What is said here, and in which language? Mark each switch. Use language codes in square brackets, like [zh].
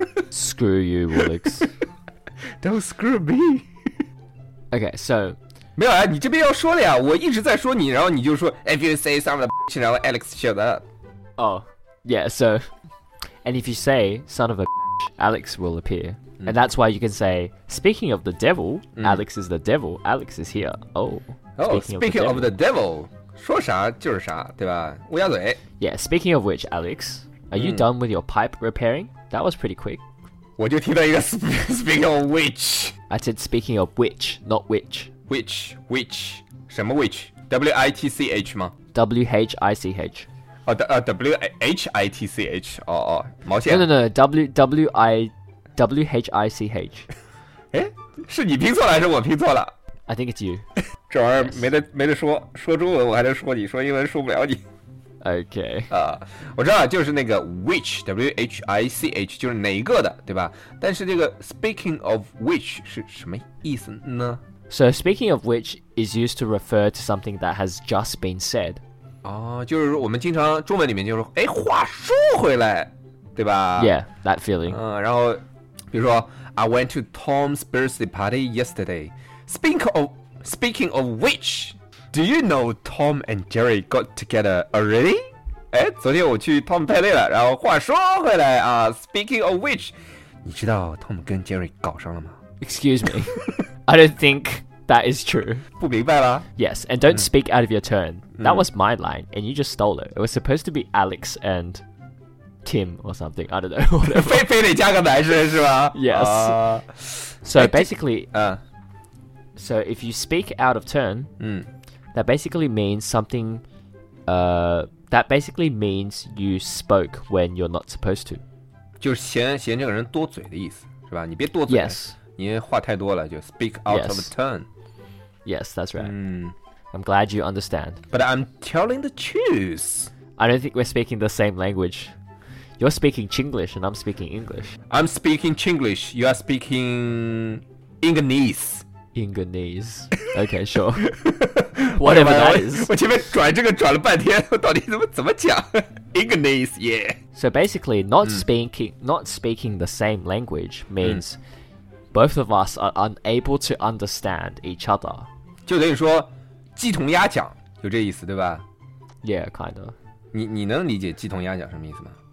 [en] ？Screw you, Alex. Don't screw me. Okay, so [zh] 没有啊，你这边要说了呀。我一直在说你，然后你就说 [en] If you say something, of a bitch, [zh] 然后 Alex [en] shut up. Oh, yeah. So, and if you say son of a bitch, Alex will appear, and that's why you can say speaking of the devil, Alex is the devil. Alex is here. Oh, speaking of the devil, [zh] 说啥就是啥，对吧？乌鸦嘴。 [en] Yeah, speaking of which, Alex, are you done with your pipe repairing? That was pretty quick. [zh] 我就听到一个 [en] speaking of which. I said speaking of which, not which. Which, which, 什么 which? [zh] W-I-T-C-H 吗？ [en] W-H-I-C-H. Oh, the, W-H-I-T-C-H. Oh, oh, 毛线。 No, no, no, W-H-I-C-H. [zh] 诶，是你拼错了还是我拼错了？ [en] I think it's you. [zh] 这玩意儿没得说，说中文我还能说你，说英文说不了你。 [en] OK. [zh] 我知道就是那个 which, W-H-I-C-H, 就是哪一个的，对吧？但是这个 [en] speaking of which [zh] 是什么意思呢？ [en] So speaking of which is used to refer to something that has just been said. [zh] 就是我们经常中文里面就是哎，话说回来，对吧？ [en] Yeah, that feeling. [zh] 然后比如说 [en] I went to Tom's birthday party yesterday. Speaking of which, do you know Tom and Jerry got together already? [zh] 哎，昨天我去 Tom 派对了。然后话说回来啊， [en] speaking of which, [zh] 你知道 Tom 跟 Jerry 搞上了吗？ [en] Excuse me. I don't think... That is true. [zh] 不明白了。 [en] Yes, and don't speak out of your turn. That was my line, and you just stole it. It was supposed to be Alex and Tim or something. I don't know. 非得加个男生是吧？ Yes. So basically, so if you speak out of turn, that basically means something, that basically means you spoke when you're not supposed to. [zh] 就是嫌这个人多嘴的意思，是吧？你别多嘴。 [en] Yes. [zh] 你话太多了，就 [en] speak out of turn. Yes, that's right. I'm glad you understand. But I'm telling the truth. I don't think we're speaking the same language. You're speaking Chinglish and I'm speaking English. I'm speaking Chinglish. You are speaking Inganese. Inganese. Okay, sure. Whatever that is. [zh] 我前面转这个转了半天，我到底怎么讲 Inganese, yeah. [en] So basically, not speaking the same language means both of us are unable to understand each other. [zh] 就等于说鸡同鸭讲，有这意思对吧？ [en] Yeah, kind of. [zh] 你能理解鸡同鸭讲什么意思吗？